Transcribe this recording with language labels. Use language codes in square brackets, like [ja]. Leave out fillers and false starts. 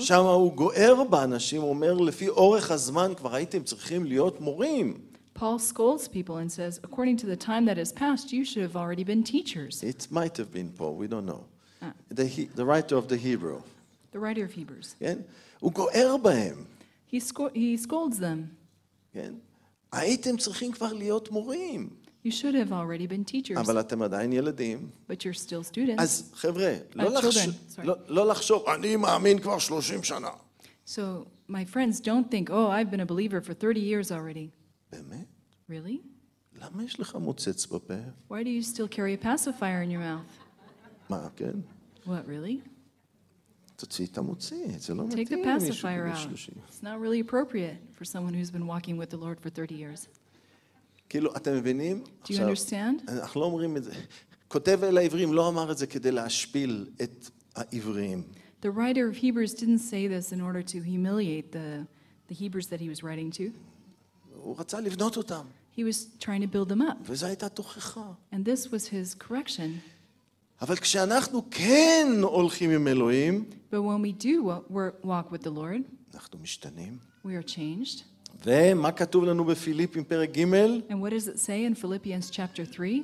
[he] שמה הוא גואר באנשים, הוא אומר לפי אורך הזמן כבר הייתם צריכים להיות מורים. [en] Paul scolds people and says according to the time that has passed you should have already been teachers. It might have been Paul, we don't know. The writer of the Hebrew. The writer of Hebrews. [he] כן, הוא גואר בהם. [en] He scolds them. [he] כן, הייתם צריכים כבר להיות מורים. [en] You should have already been teachers. [he] אבל אתם עדיין ילדים. [en] But you're still students. [he] אז חבר'ה, לא לחשוב, אני מאמין כבר 30 שנה. [en] So, my friends, don't think, oh, I've been a believer for 30 years already. [he] באמת? [en] Really? [he] למה יש לך מוצץ בפה? [en] Why do you still carry a pacifier in your mouth? [he] מה, כן? [en] What, really? [he] תוציא את המוצץ, זה לא מתאים. [en] Take the pacifier out. It's not really appropriate for someone who's been walking with the Lord for 30 years. [he] כאילו, אתם מבינים? [en] Do you understand? [he] אנחנו לא אומרים את זה. כותב אל העברים לא אמר את זה כדי להשפיל את העברים. [en] The writer of Hebrews didn't say this in order to humiliate the Hebrews that he was writing to. [he] הוא רצה לבנות אותם. [en] He was trying to build them up. [he] וזה הייתה תוכחה. [en] And this was his correction. [he] אבל כשאנחנו כן הולכים עם אלוהים, [en] but when we do walk with the Lord, [he] אנחנו משתנים. [en] We are changed. [he] ומה כתוב לנו בפיליפים פרק ג'? [en] And what does it say in Philippians chapter 3?